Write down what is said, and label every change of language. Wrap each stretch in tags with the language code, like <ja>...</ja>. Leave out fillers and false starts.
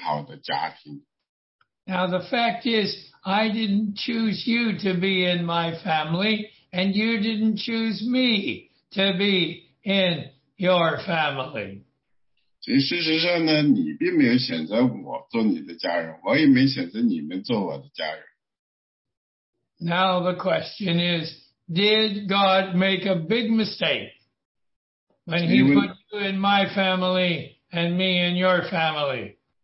<zh>你是我的弟兄姊妹，我是你的弟兄，这是一个多么美好的家庭。</zh> <en>Now the fact is, I didn't choose you to be in my family, and you didn't choose me to be in your family.</en> <zh>所以事实上呢，你并没有选择我做你的家人，我也没选择你们做我的家人。</zh> <en>Now the question is, did God make a big mistake when he put you in my family and me in your family?</en>